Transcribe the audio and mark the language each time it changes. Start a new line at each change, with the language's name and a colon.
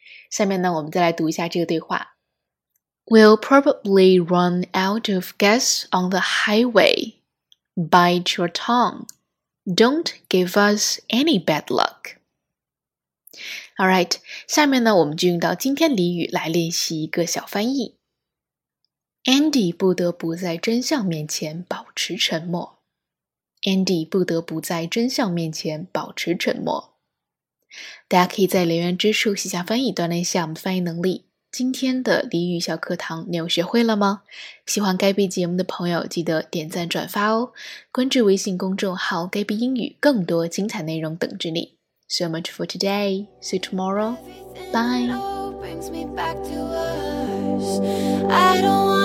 Chinese: 下面呢，我们再来读一下这个对话。
English: We'll probably run out of gas on the highway. Bite your tongue. Don't give us any bad luck. All right,
Chinese: 下面呢，我们就用到今天俚语来练习一个小翻译。 Andy 不得不在真相面前保持沉默。 Andy 不得不在真相面前保持沉默。大家可以在留言之处写下翻译，锻炼一下我们翻译能力。今天的俚语小课堂你有学会了吗？喜欢该 a 节目的朋友记得点赞转发哦，关注微信公众号该 a 英语，更多精彩内容等着你。
English: So much for today, see you tomorrow, bye.